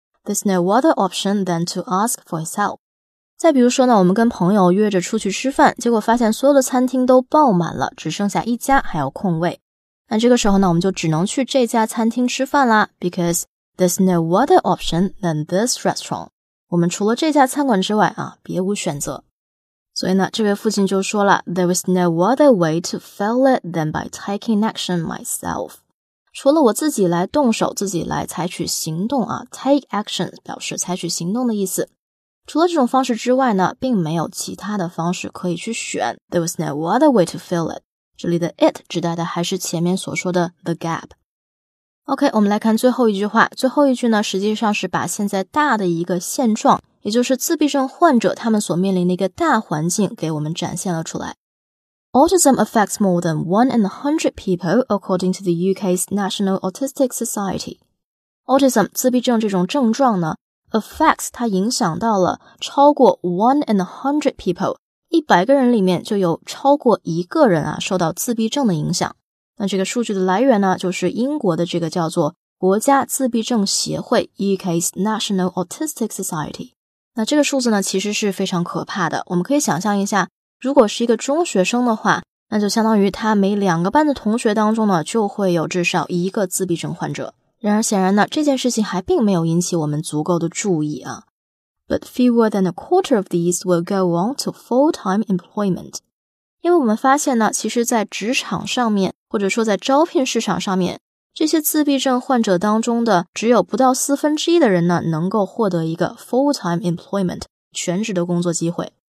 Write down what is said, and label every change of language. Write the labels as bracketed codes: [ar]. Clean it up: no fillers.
[en] There's no other option than to ask for his help。 [zh] 再比如说呢，我们跟朋友约着出去吃饭，结果发现所有的餐厅都爆满了，只剩下一家还有空位。那这个时候呢，我们就只能去这家餐厅吃饭啦， [en] because there's no other option than this restaurant， [zh] 我们除了这家餐馆之外啊，别无选择。所以呢这位父亲就说了， [en] There was no other way to fail it than by taking action myself， [zh] 除了我自己来动手，自己来采取行动啊， take action 表示采取行动的意思，除了这种方式之外呢，并没有其他的方式可以去选。 [en] There was no other way to fail it， [zh] 这里的 it 指代的还是前面所说的 [en] the gap。 [zh] OK， 我们来看最后一句话。最后一句呢实际上是把现在大的一个现状，也就是自闭症患者他们所面临的一个大环境给我们展现了出来。 [en] Autism affects more than 100 people according to the UK's National Autistic Society。 [zh] Autism 自闭症这种症状呢 affects 它影响到了超过 100 people，一百个人里面就有超过一个人啊受到自闭症的影响。那这个数据的来源呢，就是英国的这个叫做国家自闭症协会 UK's National Autistic Society。那这个数字呢其实是非常可怕的，我们可以想象一下，如果是一个中学生的话，那就相当于他每两个班的同学当中呢就会有至少一个自闭症患者。然而显然呢，这件事情还并没有引起我们足够的注意啊。 [en] But fewer than a quarter of these will go on to full-time employment. [zh] 因为我们发现呢，其实在职场上面，或者说在招聘市场上面，这些自闭症患者当中的只有不到四分之一的人呢，能够获得一个 full-time employment, 全职的工作机会。